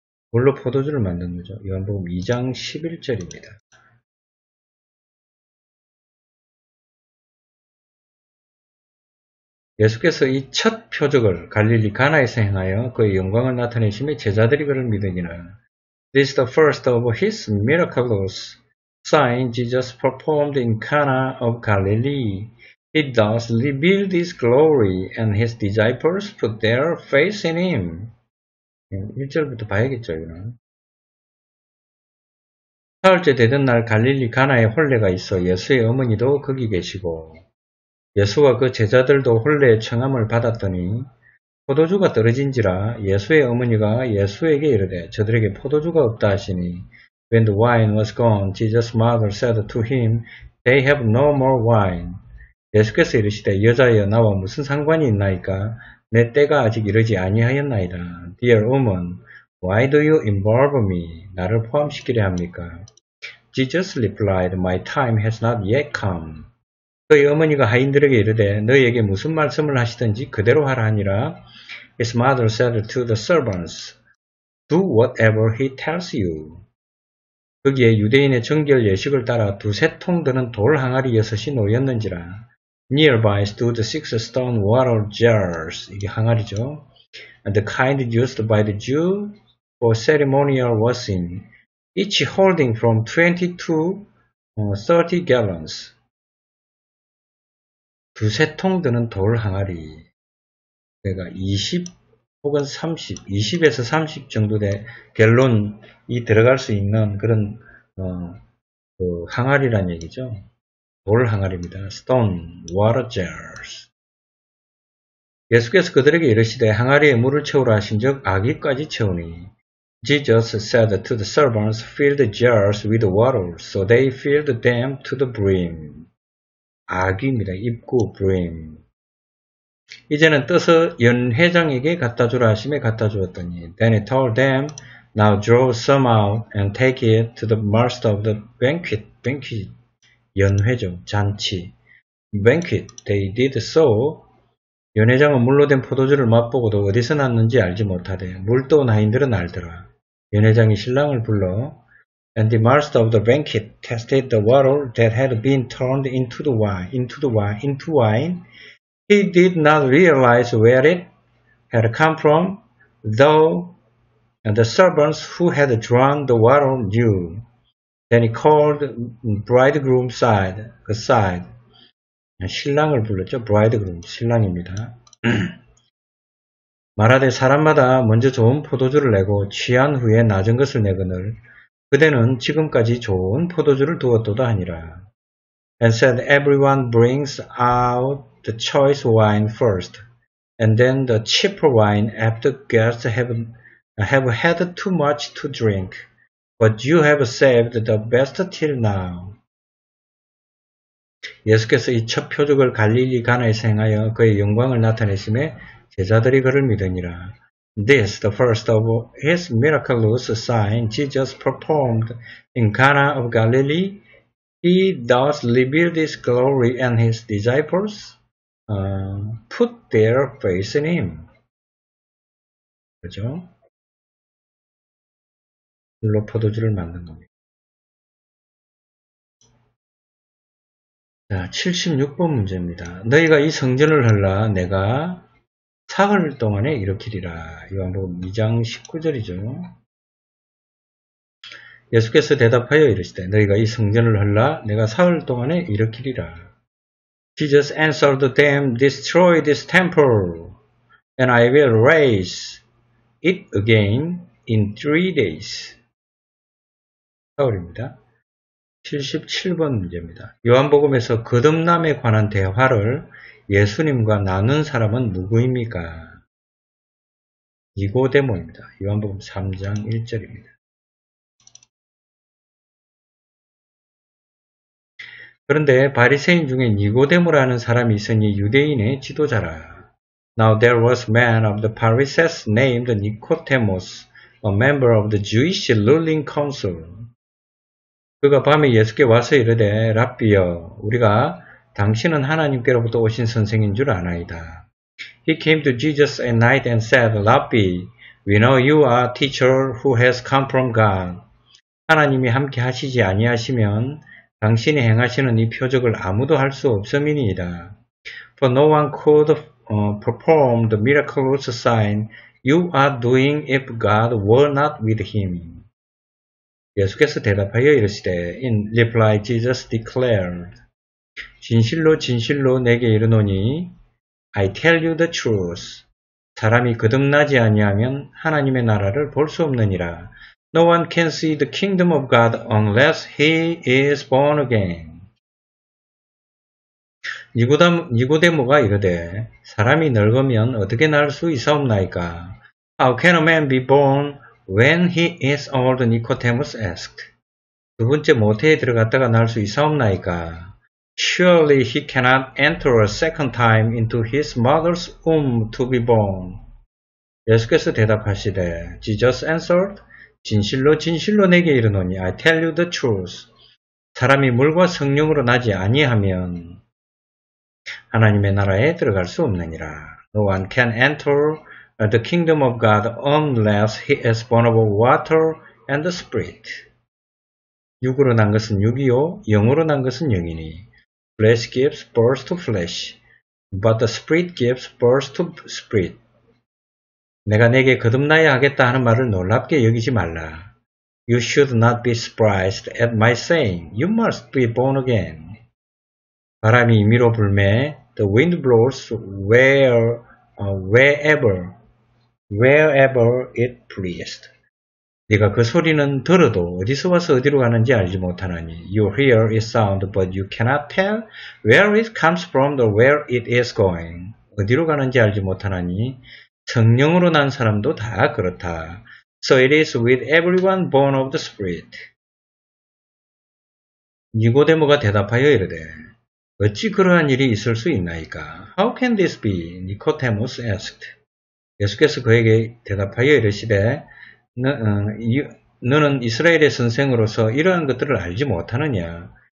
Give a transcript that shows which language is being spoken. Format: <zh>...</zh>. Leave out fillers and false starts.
<ko>물로 포도주를 만든 거죠. 요한복음 2장 11절입니다. 예수께서 이 첫 표적을 갈릴리 가나에서 행하여 그의 영광을 나타내심에 제자들이 그를 믿으니라.</ko> <en>This is the first of his miraculous sign Jesus performed in Cana of Galilee. He thus revealed his glory and his disciples put their faith in him.</en> <ko>1절부터 봐야겠죠, 이거는. 사흘째 되던 날 갈릴리 가나에 혼례가 있어 예수의 어머니도 거기 계시고 예수와 그 제자들도 혼례의 청함을 받았더니 포도주가 떨어진지라 예수의 어머니가 예수에게 이르되 저들에게 포도주가 없다 하시니</ko> <en>When the wine was gone, Jesus' mother said to him, They have no more wine.</en> <ko>예수께서 이르시되 여자여 나와 무슨 상관이 있나이까? 내 때가 아직 이르지 아니하였나이다.</ko> <en>Dear woman, why do you involve me?</en> <ko>나를 포함시키려 합니까?</ko> <en>Jesus replied, My time has not yet come.</en> <ko>그의 어머니가 하인들에게 이르되 너희에게 무슨 말씀을 하시든지 그대로 하라 하니라.</ko> <en>His mother said to the servants, Do whatever he tells you.</en> <ko>거기에 유대인의 정결 예식을 따라 두세 통 드는 돌 항아리 여섯이 놓였는지라.</ko> <en>Nearby stood six stone water jars.</en> <ko>이게 항아리죠.</ko> <en>And the kind used by the Jews for ceremonial washing, each holding from 20 to 30 gallons.</en> <ko>두세 통 드는 돌 항아리, 그러니까 20 혹은 30, 20에서 30 정도 돼 갤론이 들어갈 수 있는 그런 그 항아리란 얘기죠. 돌 항아리입니다.</ko> <en>Stone water jars.</en> <ko>예수께서 그들에게 이르시되 항아리에 물을 채우라 하신즉 아귀까지 채우니.</ko> <en>Jesus said to the servants, fill the jars with water, so they filled them to the brim.</en> <ko>아귀입니다. 입구, 브림. 이제는 떠서 연회장에게 갖다 주라 하심에 갖다 주었더니</ko> <en>Then he told them Now draw some out and take it to the master of the banquet. Banquet,</en> <ko>연회죠. 잔치.</ko> <en>Banquet, they did so.</en> <ko>연회장은 물로 된 포도주를 맛보고도 어디서 났는지 알지 못하되 물도 나인들은 알더라. 연회장이 신랑을 불러</ko> <en>And the master of the banquet tasted the water that had been turned into the wine, into the wine, into wine. He did not realize where it had come from, though the servants who had drawn the water knew. Then he called bridegroom aside.</en> <ko>신랑을 불렀죠. bridegroom, 신랑입니다. 말하되 사람마다 먼저 좋은 포도주를 내고 취한 후에 낮은 것을 내거늘 그대는 지금까지 좋은 포도주를 두었도다 하니라.</ko> <en>And said everyone brings out the choice wine first, and then the cheaper wine after guests have had too much to drink. But you have saved the best till now.</en> <ko>예수께서 이 첫 표적을 갈릴리 가나에서 행하여 그의 영광을 나타내심에 제자들이 그를 믿으니라.</ko> <en>This, the first of his miraculous signs Jesus performed in Cana of Galilee, he thus revealed his glory and his disciples put their faith in him.</en> <ko>그죠? 물로 포도주를 만든 겁니다. 자, 76번 문제입니다. 너희가 이 성전을 헐라 내가 사흘 동안에 일으키리라. 요한복음 2장 19절이죠. 예수께서 대답하여 이르시되 너희가 이 성전을 헐라 내가 사흘 동안에 일으키리라.</ko> <en>Jesus answered them, Destroy this temple, and I will raise it again in 3 days.</en> <ko>사흘입니다. 77번 문제입니다. 요한복음에서 거듭남에 관한 대화를 예수님과 나눈 사람은 누구입니까? 니고데모입니다. 요한복음 3장 1절입니다. 그런데 바리새인 중에 니고데모라는 사람이 있으니 유대인의 지도자라.</ko> <en>Now there was a man of the Pharisees named Nicodemus, a member of the Jewish ruling council.</en> <ko>그가 밤에 예수께 와서 이르되 랍비여 우리가 당신은 하나님께로부터 오신 선생인 줄 아나이다.</ko> <en>He came to Jesus at night and said, Rabbi, we know you are a teacher who has come from God.</en> <ko>하나님이 함께 하시지 아니하시면 당신이 행하시는 이 표적을 아무도 할 수 없음이니이다.</ko> <en>For no one could perform the miraculous sign you are doing if God were not with him.</en> <ko>예수께서 대답하여 이르시되,</ko> <en>In reply, Jesus declared,</en> <ko>진실로 진실로 내게 이르노니</ko> <en>I tell you the truth.</en> <ko>사람이 거듭나지 아니하면 하나님의 나라를 볼 수 없느니라.</ko> <en>No one can see the kingdom of God unless he is born again.</en> <ko>니고데모가 이르되 사람이 늙으면 어떻게 날 수 있사옵나이까?</ko> <en>How can a man be born when he is old? Nicodemus asked.</en> <ko>두 번째 모태에 들어갔다가 날 수 있사옵나이까?</ko> <en>Surely he cannot enter a second time into his mother's womb to be born.</en> <ko>예수께서 대답하시되,</ko> <en>Jesus answered,</en> <ko>진실로 진실로 내게 이르노니,</ko> <en>I tell you the truth.</en> <ko>사람이 물과 성령으로 나지 아니하면 하나님의 나라에 들어갈 수 없느니라.</ko> <en>No one can enter the kingdom of God unless he is born of water and the spirit.</en> <ko>육으로 난 것은 육이요, 영으로 난 것은 영이니.</ko> <en>Flesh gives birth to flesh, but the spirit gives birth to spirit.</en> <ko>내가 네게 거듭나야 하겠다 하는 말을 놀랍게 여기지 말라.</ko> <en>You should not be surprised at my saying. You must be born again.</en> <ko>바람이 임의로 불매,</ko> <en>the wind blows wherever it pleased.</en> <ko>네가 그 소리는 들어도 어디서 와서 어디로 가는지 알지 못하나니</ko> <en>You hear its sound, but you cannot tell where it comes from or where it is going.</en> <ko>어디로 가는지 알지 못하나니 성령으로 난 사람도 다 그렇다.</ko> <en>So it is with everyone born of the Spirit.</en> <ko>니고데모가 대답하여 이르되 어찌 그러한 일이 있을 수 있나이까?</ko> <en>How can this be? Nicodemus asked.</en> <ko>예수께서 그에게 대답하여 이르시되 너는 이스라엘의 선생으로서 이러한 것들을 알지 못하느냐?</ko>